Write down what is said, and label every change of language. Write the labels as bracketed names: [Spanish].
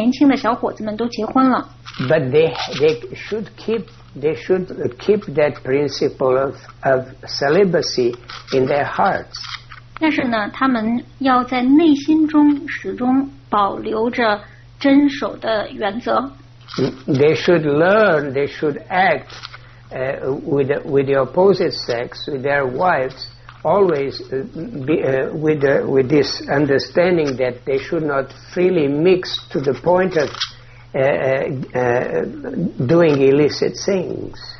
[Chinese] 那这也就是发生的事情，就很多年轻的小伙子们都结婚了。 [English] But they should keep that principle of celibacy in their hearts. [Chinese] 但是呢，他们要在内心中始终保留着真守的原则。 [English] They should learn. They should act with the opposite sex, with their wives. Always with this understanding that they should not freely mix to the point of doing illicit things.